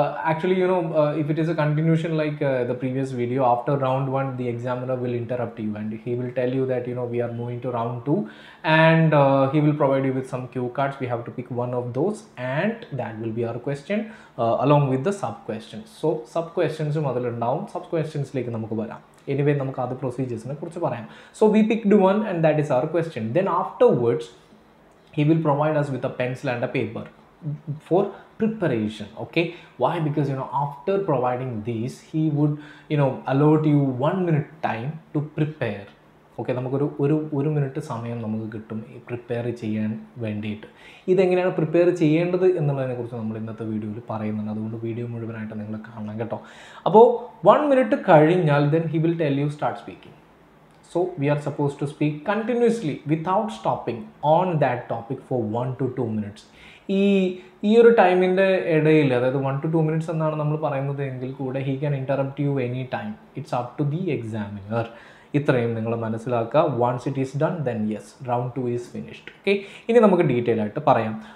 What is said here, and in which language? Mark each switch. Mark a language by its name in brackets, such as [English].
[English] Actually you know if it is a continuation like the previous video, after round one the examiner will interrupt you and he will tell you that you know we are moving to round two and he will provide you with some cue cards, we have to pick one of those and that will be our question along with the sub questions. [Malayalam] So sub ക്വസ്റ്റ്യൻസും അതിലുണ്ടാവും. Sub ക്വസ്റ്റ്യൻസിലേക്ക് നമുക്ക് വരാം. Anyway, നമുക്ക് അത് പ്രൊസീജിയേഴ്സിനെ കുറിച്ച് പറയാം. [English] So we picked one and that is our question. Then afterwards he will provide us with a pencil and a paper for preparation, okay? Why? Because you know, after providing these, he would, you know, allot you 1 minute time to prepare, okay? [Malayalam] നമുക്ക് ഒരു ഒരു ഒരു minute സമയം നമുക്ക് കിട്ടും ഈ prepare ചെയ്യാൻ വേണ്ടിയിട്ട്. ഇതെങ്ങനെയാണ് പ്രിപ്പയർ ചെയ്യേണ്ടത് എന്നുള്ളതിനെക്കുറിച്ച് നമ്മൾ ഇന്നത്തെ വീഡിയോയിൽ പറയുന്നുണ്ട്. അതുകൊണ്ട് വീഡിയോ മുഴുവനായിട്ട് നിങ്ങൾ കാണണം കേട്ടോ. അപ്പോൾ 1 minute കഴിഞ്ഞാൽ [English] Then he will tell you start speaking. So we are supposed to speak continuously without stopping on that topic for 1 to 2 minutes. [Malayalam] ഈ ഒരു ടൈമിൻ്റെ ഇടയിൽ, അതായത് 1 to 2 minutes എന്നാണ് നമ്മൾ പറയുന്നത് എങ്കിൽ കൂടെ, [English] He can interrupt you any time. It's up to the examiner. [Malayalam] ഇത്രയും നിങ്ങൾ മനസ്സിലാക്കുക. [English] Once it is done, then yes, round two is finished. Okay, [Malayalam] ഇനി നമുക്ക് ഡീറ്റെയിൽ ആയിട്ട് പറയാം.